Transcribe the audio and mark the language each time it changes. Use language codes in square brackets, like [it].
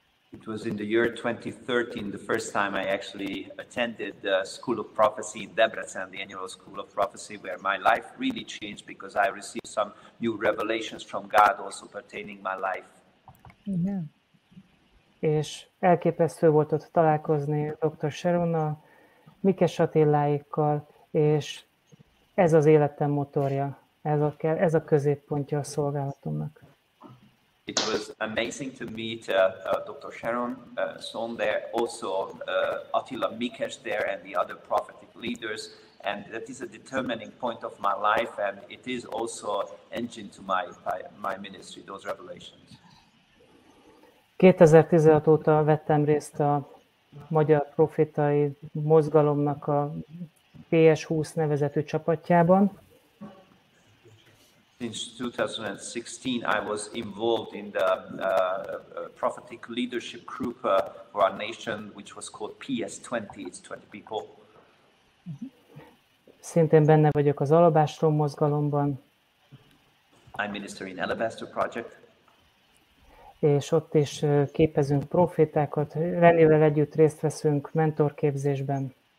[en] It was in the year 2013 the first time I actually attended the School of Prophecy in Debrecen, the annual School of Prophecy, where my life really changed because I received some new revelations from God also pertaining my life. [hu] Igen. És elképesztő volt ott találkozni Dr. Sharonnal, Mikes Attiláékkal, és ez az életem motorja, ez a középpontja a szolgálatomnak. [en] It was amazing to meet Dr. Sharon Stone there, also Attila Mikes there and the other prophetic leaders, and that is a determining point of my life, and it is also engine to my ministry, those revelations. [hu] 2016 óta vettem részt a magyar profétai mozgalomnak a PS20 nevezetű csapatjában. [en] Since 2016 I was involved in the prophetic leadership group for our nation, which was called PS20, it's 20 people. [hu] Szintén benne vagyok az alabástrom mozgalomban. [en] I minister in Alabaster Project. [hu] És ott is képezünk profétákat, Renivel együtt részt veszünk mentorképzésben.